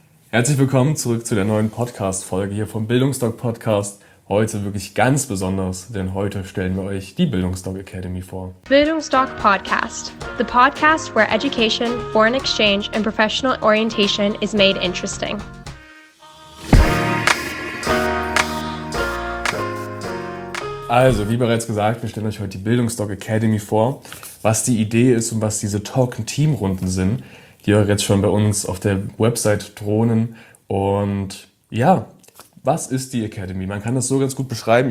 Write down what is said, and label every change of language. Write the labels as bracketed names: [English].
[German] Herzlich willkommen zurück zu der neuen Podcast-Folge hier vom Bildungsdoc Podcast. Heute wirklich ganz besonders, denn heute stellen wir euch die Bildungsdoc Academy vor. [English] Bildungsdoc Podcast, the podcast where education, foreign exchange, and professional orientation is made interesting. [German] Also, wie bereits gesagt, wir stellen euch heute die Bildungsdoc Academy vor. Was die Idee ist und was diese Talk-Team-Runden sind, die ihr jetzt schon bei uns auf der Website drohnen. Und ja, was ist die Academy? Man kann das so ganz gut beschreiben.